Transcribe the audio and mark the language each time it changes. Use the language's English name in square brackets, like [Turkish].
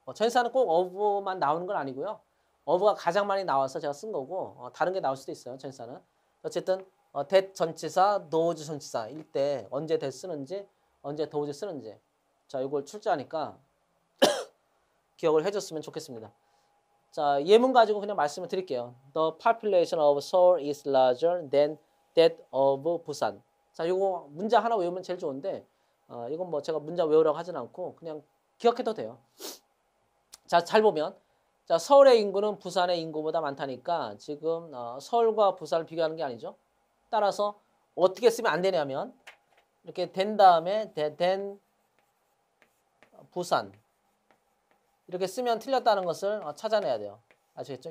[Korean] 전시사는 꼭 of만 나오는 건 아니고요. of가 가장 많이 나와서 제가 쓴 거고 다른 게 나올 수도 있어요. 전시사는. 어쨌든 that 전치사, those 전치사 일때 언제 that 쓰는지, 언제 those 쓰는지. 자, 이걸 출제하니까 기억을 해줬으면 좋겠습니다. 자, 예문 가지고 그냥 말씀을 드릴게요. [English] The population of Seoul is larger than that of Busan. [Korean] 자, 이거 문장 하나 외우면 제일 좋은데 이건 뭐 제가 문장 외우라고 하진 않고 그냥 기억해도 돼요. 자, 잘 보면 자, 서울의 인구는 부산의 인구보다 많다니까 지금 서울과 부산을 비교하는 게 아니죠. 따라서 어떻게 쓰면 안 되냐면 이렇게 된 다음에 된 부산 이렇게 쓰면 틀렸다는 것을 찾아내야 돼요. 아시겠죠?